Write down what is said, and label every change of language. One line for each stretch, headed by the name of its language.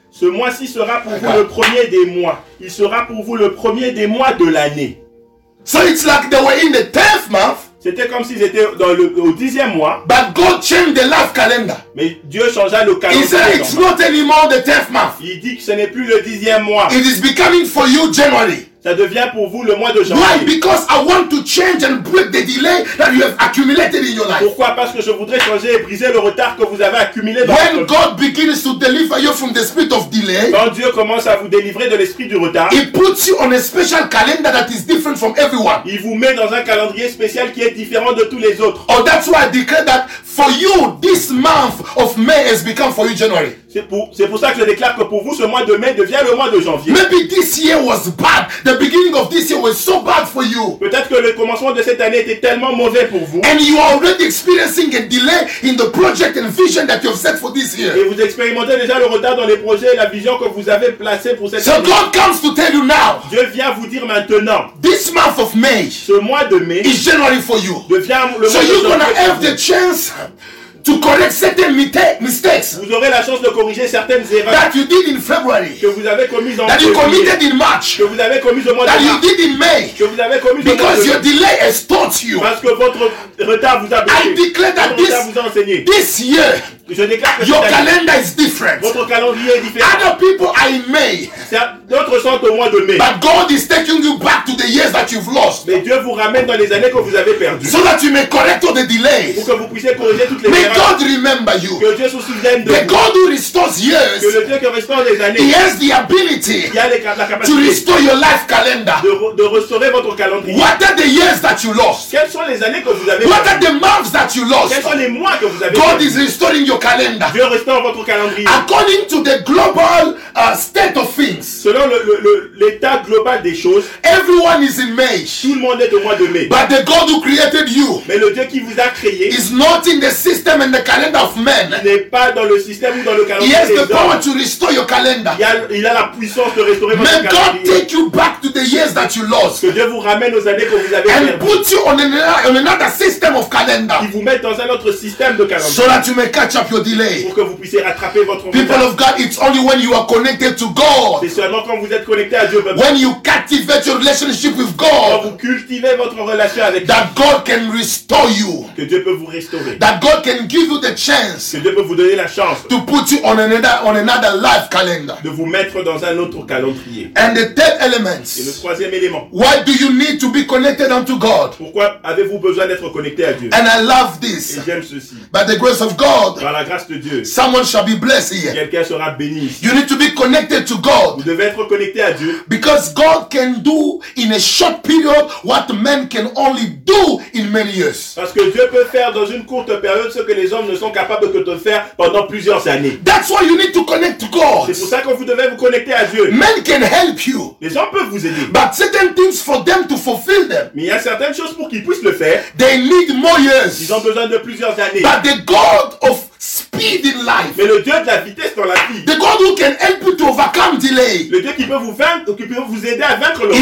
French: Ce mois-ci sera pour vous le premier des mois. Il sera pour vous le premier des mois de l'année.
English: So it's like they were in the 10th month.
French: C'était comme s'ils étaient au 10e mois.
English: But God changed the life calendar.
French: Mais Dieu changea le calendrier.
English: He said it's not anymore the 10th month.
French: Il dit que ce n'est plus le 10e mois.
English: It is becoming for you January.
French: Ça devient pour vous le mois de janvier.
English: Why? Because I want to change and break the delay that you have accumulated in your life.
French: Pourquoi? Parce que je voudrais changer et briser le retard que vous avez accumulé dans
English: when
French: votre vie.
English: God begins to deliver you from the spirit of delay,
French: quand Dieu commence à vous délivrer de l'esprit du retard,
English: He puts you on a special calendar that is different from everyone.
French: Il vous met dans un calendrier spécial qui est différent de tous les autres.
English: Oh, that's why I declare that for you, this month of May has become for you January.
French: C'est pour ça que je déclare que pour vous, ce mois de mai devient le mois de janvier.
English: Maybe this year was bad. The beginning of this year was so bad for you.
French: Peut-être que le commencement de cette année était tellement mauvais pour vous.
English: And you are already experiencing a delay in the project and vision that you have set for this year.
French: Et vous expérimentez déjà le retard dans les projets et la vision que vous avez placé pour cette année.
English: So God comes to tell you now.
French: Dieu vient vous dire maintenant.
English: This month of May.
French: Ce mois de mai.
English: Is January for you.
French: Devient le mois
English: so
French: de janvier.
English: So you're gonna have the chance to correct certain mistakes.
French: Vous aurez la chance de corriger certaines erreurs.
English: That you did in February.
French: Que vous avez commises en
English: that you committed in March.
French: Que vous avez commises au mois de
English: that you did in May.
French: Que vous avez commises
English: because
French: au mois de
English: your delay has taught you.
French: Parce que votre retard vous a blessé.
English: I declare that
French: vous a enseigné.
English: This year.
French: Je déclare que
English: your calendar is different.
French: Votre calendrier est différent.
English: Other people are in May.
French: D'autres sont au mois de mai.
English: But God is taking you back to the years that you've lost.
French: Mais Dieu vous ramène dans les années que vous avez perdues.
English: So that you may correct all the delays.
French: Pour que vous puissiez corriger toutes les erreurs.
English: May God remember you.
French: Que Dieu se souvienne de
English: the
French: vous.
English: The God who restores years.
French: Que le Dieu qui restaure les années.
English: He has the ability.
French: Il a la capacité.
English: To restore your life calendar.
French: De restaurer votre calendrier.
English: What are the years that you lost?
French: Quelles sont les années que vous avez perdues?
English: What are the months that you lost?
French: Quels sont les mois que vous avez
English: God
French: perdu?
English: Is restoring your calendar.
French: Dieu restaure votre calendrier.
English: According to the global state of things.
French: Selon l'état global des choses.
English: Everyone is in May.
French: Tout le monde est au mois de mai.
English: But the God who created you.
French: Mais le Dieu qui vous a créé.
English: Is not in the system and the calendar of men.
French: Il n'est pas dans le système ou dans le calendrier.
English: He has the power to restore your calendar.
French: Il a la puissance de restaurer votre calendrier.
English: May God take you back to the years that you lost.
French: Que Dieu vous ramène aux années que vous avez
English: and
French: perdu.
English: And put you on another system of calendar.
French: Qui vous met dans un autre système de calendrier.
English: So that you may catch up your delay.
French: Pour que vous puissiez rattraper votre retard.
English: People of God, it's only when you are connected to God.
French: C'est seulement quand vous êtes connecté à Dieu.
English: When you cultivate your relationship with God.
French: Quand vous cultivez votre relation avec
English: that God can restore you.
French: Que Dieu peut vous restaurer.
English: That God can give you the chance.
French: Que Dieu peut vous donner la chance.
English: To put you on another life calendar.
French: De vous mettre dans un autre calendrier.
English: And the third element.
French: Et le troisième élément.
English: Why do you need to be connected unto God?
French: Pourquoi avez-vous besoin d'être connecté à Dieu?
English: And I love this.
French: Et j'aime ceci.
English: By the grace of God.
French: Par la grâce de Dieu.
English: Someone shall be blessed here.
French: Quelqu'un sera béni ici.
English: You need to be connected to God.
French: Vous devez être connecté à Dieu.
English: Because God can do in a short period what men can only do in many years.
French: Parce que Dieu peut faire dans une courte période ce que les hommes ne sont capables que de faire pendant plusieurs années.
English: That's why you need to connect to God.
French: C'est pour ça que vous devez vous connecter à Dieu.
English: Men can help you.
French: Les hommes peuvent vous aider.
English: But certain things for them to fulfill them.
French: Mais il y a certaines choses pour qu'ils puissent le faire.
English: They need more years.
French: Ils ont besoin de plusieurs années.
English: But the God of speed in life.
French: Mais le Dieu de la vitesse dans la vie.
English: The God who can help you to overcome delay.
French: Le Dieu qui peut vous vaincre, qui peut vous aider à vaincre le retard.